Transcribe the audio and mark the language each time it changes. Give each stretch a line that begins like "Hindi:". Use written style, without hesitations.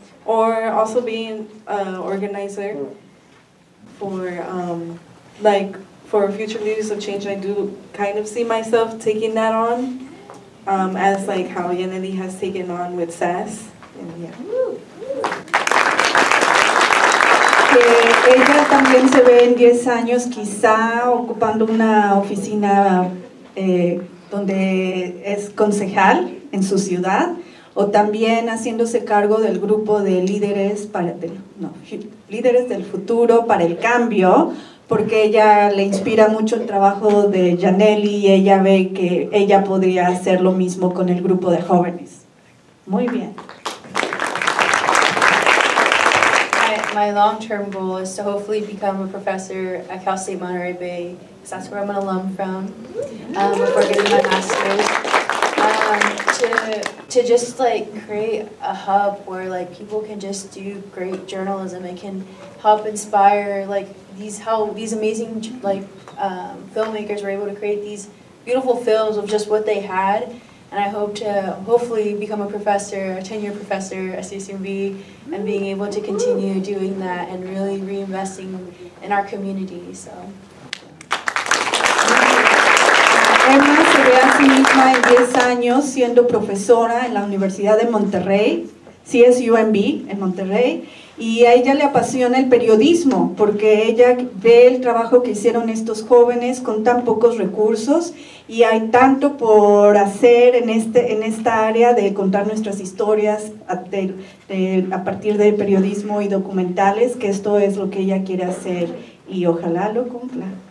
English: Or also being an organizer for future leaders of change. I do kind of see myself taking that on, as like how Yaneli has taken on with SAS. And yeah.
Spanish: Ella también se ve en 10 años quizá ocupando una oficina donde es concejal en su ciudad, o también haciéndose cargo del grupo de líderes líderes del futuro para el cambio, porque ella le inspira mucho el trabajo de Yaneli y ella ve que ella podría hacer lo mismo con el grupo de jóvenes. Muy bien.
English: My long-term goal is to hopefully become a professor at Cal State Monterey Bay, because that's where I'm an alum from, before getting my master's. To just like create a hub where like people can just do great journalism and can help inspire like these amazing like filmmakers were able to create these beautiful films of just what they had. And I hope to hopefully become a professor, a tenure professor at CCMB, and being able to continue doing that and really reinvesting in our community. So.
Spanish: Emma se ve a sí misma en 10 años siendo profesora en la Universidad de Monterrey, CSUMB en Monterrey, y a ella le apasiona el periodismo porque ella ve el trabajo que hicieron estos jóvenes con tan pocos recursos y hay tanto por hacer en esta área de contar nuestras historias a partir de periodismo y documentales, que esto es lo que ella quiere hacer y ojalá lo cumpla.